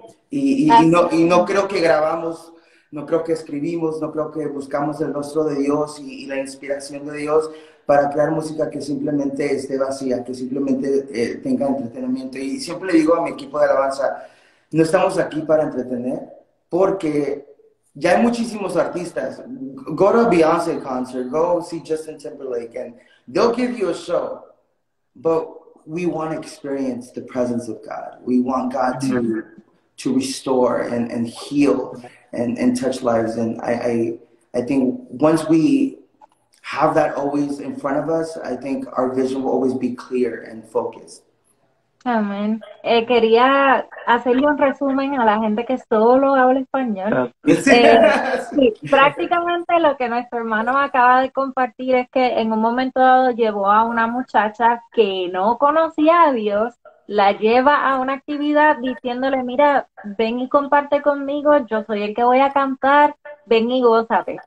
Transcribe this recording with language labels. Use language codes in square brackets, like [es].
[es] Y no creo que grabamos, no creo que escribimos, no creo que buscamos el rostro de Dios y la inspiración de Dios para crear música que simplemente esté vacía, que simplemente tenga entretenimiento. Y siempre le digo a mi equipo de alabanza, no estamos aquí para entretener, porque ya hay muchísimos artistas. [en] Go to a Beyoncé concert, go see Justin Timberlake, and they'll give you a show, but we want to experience the presence of God. We want God to restore and heal and touch lives. And I think once we have that always in front of us, I think our vision will always be clear and focused. [es] Amén. Quería hacerle un resumen a la gente que solo habla español. Sí, prácticamente lo que nuestro hermano acaba de compartir es que en un momento dado llevó a una muchacha que no conocía a Dios, la lleva a una actividad diciéndole, mira, ven y comparte conmigo, yo soy el que voy a cantar, ven y gózate.